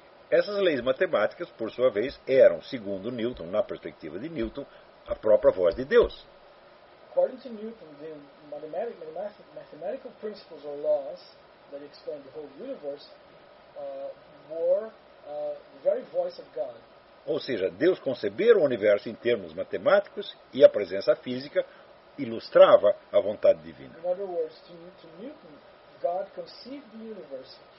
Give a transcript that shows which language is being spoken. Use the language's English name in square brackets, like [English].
[Portuguese] Essas leis matemáticas, por sua vez, eram, segundo Newton, na perspectiva de Newton, a própria voz de Deus. [English] According to Newton, the mathematical principles or laws that explain the whole universe were the very voice of God. [Portuguese] Ou seja, Deus concebera o universo em termos matemáticos e a presença física ilustrava a vontade divina. [English] In other words, to Newton, God conceived the universe.